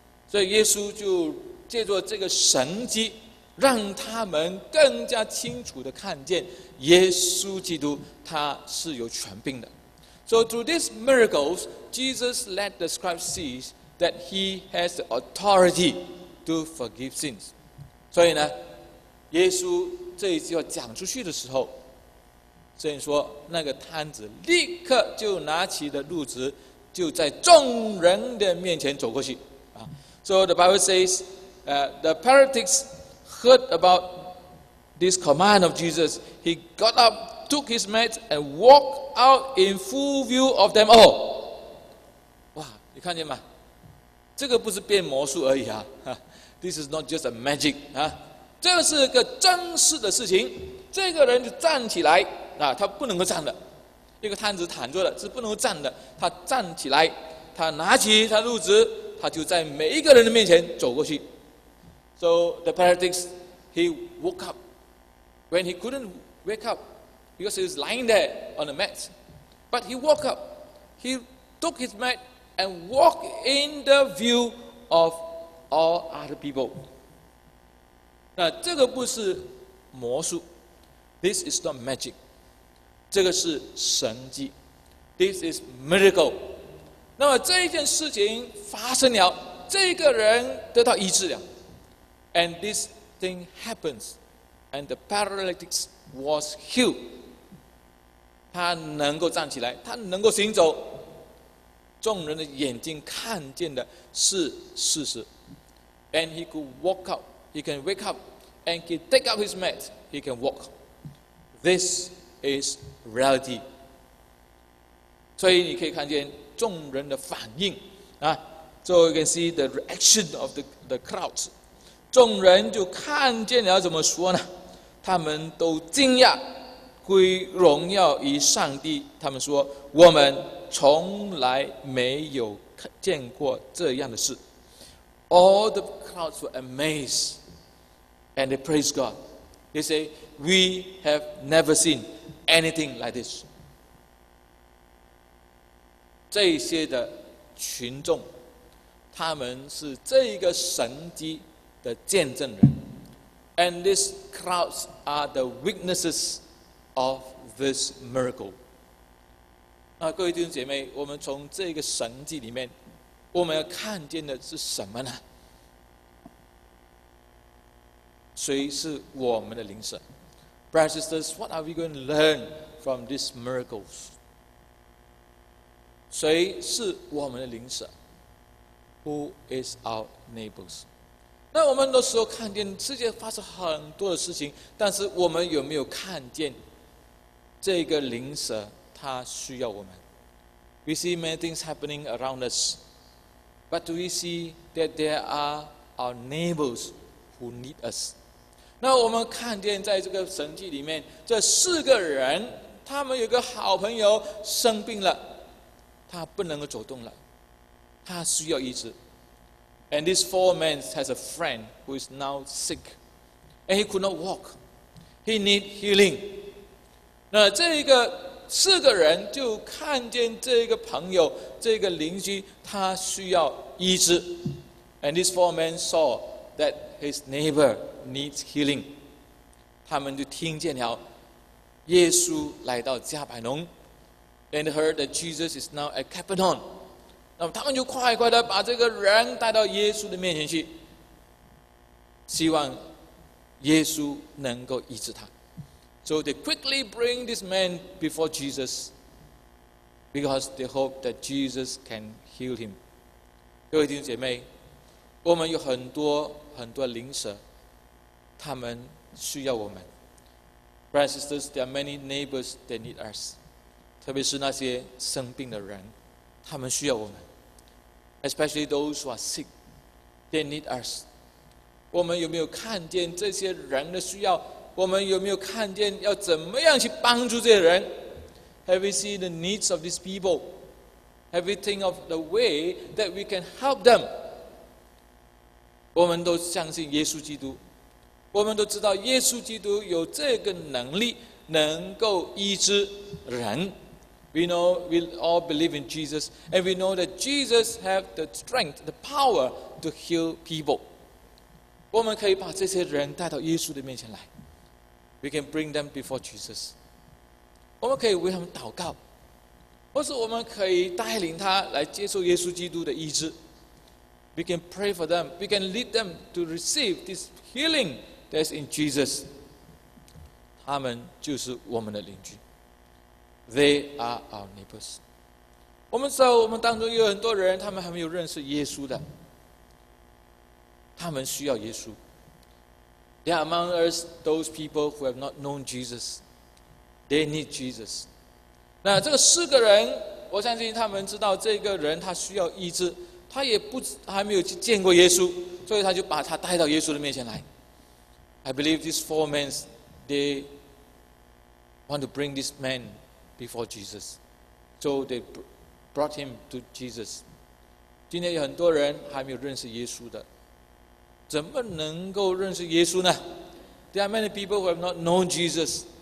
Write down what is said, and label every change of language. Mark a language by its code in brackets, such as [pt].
[zh] 所以耶稣就借着这个神迹，让他们更加清楚地看见耶稣基督他是有权柄的。 [en] So through these miracles, Jesus let the scribes see that he has the authority to forgive sins. [zh] 所以呢，耶稣这一句话讲出去的时候，圣经说那个摊子立刻就拿起的褥子，就在众人的面前走过去。 [en] So the Bible says, the paralytic heard about this command of Jesus. He got up, took his mat, and walked out in full view of them all. [zh] 哇，你看见吗？这个不是变魔术而已啊。 [en] This is not just a magic. [zh] 啊，这是个真实的事情。这个人就站起来，啊，他不能够站的。一个摊子躺着的是不能够站的，他站起来，他拿起他褥子，他就在每一个人的面前走过去。 [en] So the paralytic, he woke up. When he couldn't wake up, because he was lying there on the mat, but he woke up. He took his mat and walked in the view of all other people. [zh] 那这个不是魔术 ， [en] This is not magic. [zh] 这个是神迹 ， [en] This is miracle. [zh] 那么这一件事情发生了，这个人得到医治了。 [en] And this thing happens, and the paralytic was healed. [zh] 他能够站起来，他能够行走。众人的眼睛看见的是事实。 [en] And he could walk up, he can wake up, and he take up his mat, he can walk. This is reality. [zh] 所以你可以看见众人的反应啊， [en] so you can see the reaction of the crowds. [zh] 众人就看见了，怎么说呢？他们都惊讶，归荣耀于上帝。他们说：“我们从来没有见过这样的事。” [en] All the crowds were amazed, and they praise God. They say, "We have never seen anything like this." [zh] 这些的群众，他们是这个神迹的见证人。 [en] And these crowds are the witnesses of this miracle. [zh] 啊，各位弟兄姐妹，我们从这个神迹里面，我们要看见的是什么呢？谁是我们的灵舍 ？ [en] Brothers and sisters, what are we going to learn from these miracles? [zh] 谁是我们的邻舍 ？ [en] Who is our neighbors？ [zh] 那我们很多时候看见世界发生很多的事情，但是我们有没有看见这个邻舍他需要我们 ？ [en] We see many things happening around us, but do we see that there are our neighbors who need us？ [zh] 那我们看见在这个神迹里面，这四个人，他们有个好朋友生病了。他不能够走动了，他需要医治。 [en] And this four men has a friend who is now sick, and he could not walk. He need healing. [zh] 那这个四个人就看见这个朋友、这个邻居，他需要医治。 [en] And this four men saw that his neighbor needs healing. [zh] 他们就听见了耶稣来到加百农。 [en] And heard that Jesus is now at Capernaum. [zh] 那么他们就快快地把这个人带到耶稣的面前去，希望耶稣能够医治他。 [en] So they quickly bring this man before Jesus because they hope that Jesus can heal him. [zh] 各位弟兄姐妹，我们有很多很多灵舍，他们需要我们。 [en] Brothers and sisters, there are many neighbors that need us. [zh] 特别是那些生病的人，他们需要我们。 [en] Especially those who are sick, they need us. [zh] 我们有没有看见这些人的需要？我们有没有看见要怎么样去帮助这些人 ？ [en] Have we seen the needs of these people? Have we think of the way that we can help them? [zh] 我们都相信耶稣基督，我们都知道耶稣基督有这个能力，能够医治人。 [en] We know we all believe in Jesus, and we know that Jesus has the strength, the power to heal people. [zh] 我们可以把这些人带到耶稣的面前来。 [en] We can bring them before Jesus. [zh] 我们可以为他们祷告，或是我们可以带领他来接受耶稣基督的医治。 [en] We can pray for them. We can lead them to receive this healing that's in Jesus, [zh] 他们就是我们的邻居。 [en] They are our neighbors. [zh] 我们知道我们当中有很多人，他们还没有认识耶稣的，他们需要耶稣。 [en] They are among us those people who have not known Jesus. They need Jesus. [zh] 那这个四个人，我相信他们知道这个人他需要医治，他也不还没有去见过耶稣，所以他就把他带到耶稣的面前来。 [en] I believe these four men, they want to bring this man before Jesus. So they brought him to Jesus. [zh] 今天有很多人还没有认识耶稣的。怎么能够认识耶稣呢？ [en] There are many people who have not known Jesus.